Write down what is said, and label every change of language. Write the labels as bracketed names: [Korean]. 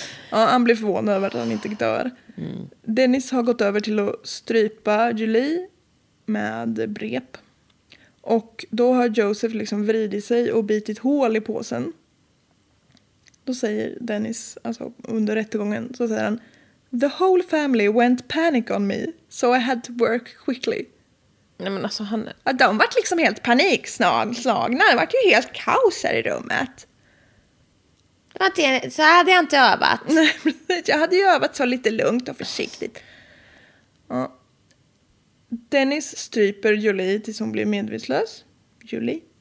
[Swedish] Ja, han blir förvånad över att han inte dör. Mm. Dennis har gått över till att strypa Julie med brep. Och då har Joseph liksom vridit sig och bitit hål i påsen. Då säger Dennis, alltså under rättegången, så säger han: [English] "The whole family went panic on me, so I had to work quickly." [Swedish] Nej, men alltså han... Ja, de var liksom helt panikslagna. Det var ju helt kaos här i rummet. Så hade jag inte övat. Nej, jag hade ju övat så lite lugnt och försiktigt. Ja. Dennis stryper Julie tills hon blir medvetslös. Julie.